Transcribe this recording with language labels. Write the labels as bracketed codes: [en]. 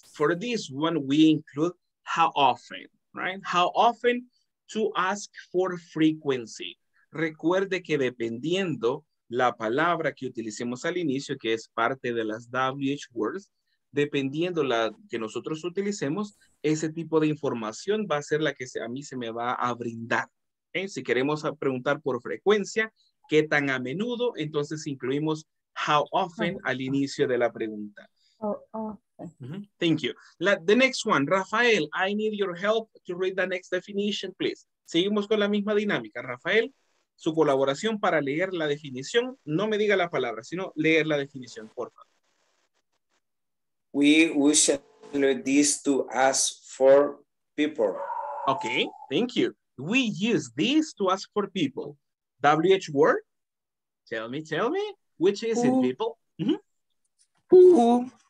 [en] For this one, we include how often, right? How often to ask for frequency. [es] Recuerde que dependiendo la palabra que utilicemos al inicio, que es parte de las WH words, dependiendo la que nosotros utilicemos, ese tipo de información va a ser la que a mí se me va a brindar. ¿Okay? Si queremos preguntar por frecuencia, ¿qué tan a menudo? Entonces incluimos how often al inicio de la pregunta. [en] Thank you. The next one, Rafael, I need your help to read the next definition, please. [es] Seguimos con la misma dinámica. Rafael, su colaboración para leer la definición, no me diga la palabra, sino leer la definición, por favor. [en] We usually use this to ask for people. Okay, thank you. We use this to ask for people. WH word? Tell me. Which is who? It, people? Who?